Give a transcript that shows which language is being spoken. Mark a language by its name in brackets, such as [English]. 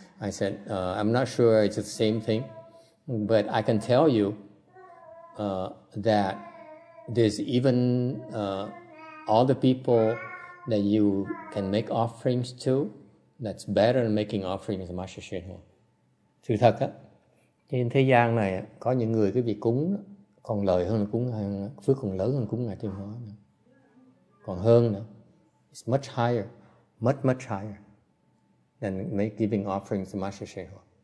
[English] I said, I'm not sure it's the same thing, but I can tell you that there's even all the people that you can make offerings to, that's better than making offerings to Master Shuang. [Vietnamese] Sự thật á, trên thế gian này có những người cái việc cúng còn lợi hơn cúng hơn, phước còn lớn hơn cúng Ngài Tiên Hóa nữa. Còn hơn nữa. [English] It's much higher, much much higher than make giving offerings to Master Shenhua.